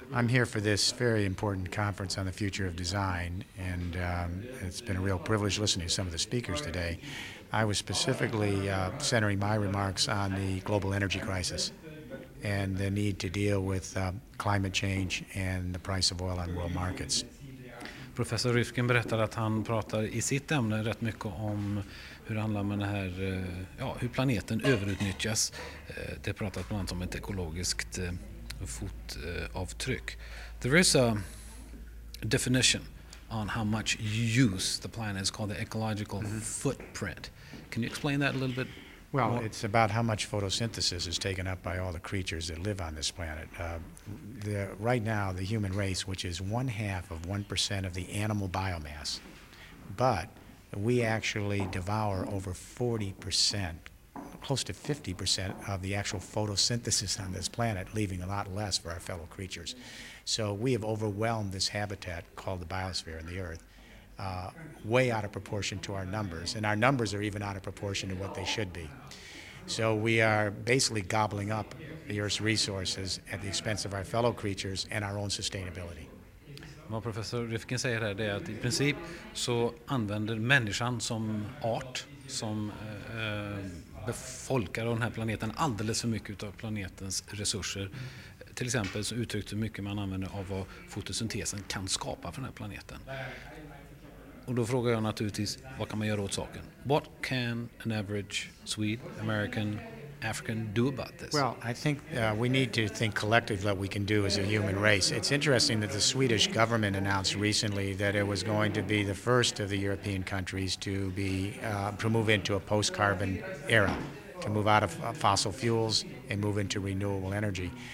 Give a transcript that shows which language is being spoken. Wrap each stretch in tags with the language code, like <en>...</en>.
<en>I'm here for this very important conference on the future of design, and it's been a real privilege listening to some of the speakers today. I was specifically centering my remarks on the global energy crisis and the need to deal with climate change and the price of oil on world markets.</en> <sv>Professor Rifkin berättar att han pratar i sitt ämne rätt mycket om hur handlar man det här, ja, hur planeten överutnyttjas. Det pratat bland annat om ett ekologiskt fotavtryck.</sv> <en>There is a definition on how much you use the planet. It's called the ecological footprint. Can you explain that a little bit? Well, it's about how much photosynthesis is taken up by all the creatures that live on this planet. Right now, the human race, which is 0.5% of the animal biomass, but we actually devour over 40%, close to 50% of the actual photosynthesis on this planet, leaving a lot less for our fellow creatures. So we have overwhelmed this habitat called the biosphere and the Earth. Way out of proportion to our numbers, and our numbers are even out of proportion to what they should be. So we are basically gobbling up the Earth's resources at the expense of our fellow creatures and our own sustainability.</en> <sv>Vad professor Rifkin säger här är att i princip så använder människan som art, som befolkar den här planeten alldeles för mycket av planetens resurser. Till exempel så uttryckt hur mycket man använder av vad fotosyntesen kan skapa för den här planeten. Och då frågar jag naturligtvis, vad kan man göra åt saken?</sv> <en>What can an average Swede, American, African do about this? Well, I think we need to think collectively what we can do as a human race. It's interesting that the Swedish government announced recently that it was going to be the first of the European countries to be to move into a post-carbon era, to move out of fossil fuels and move into renewable energy.</en>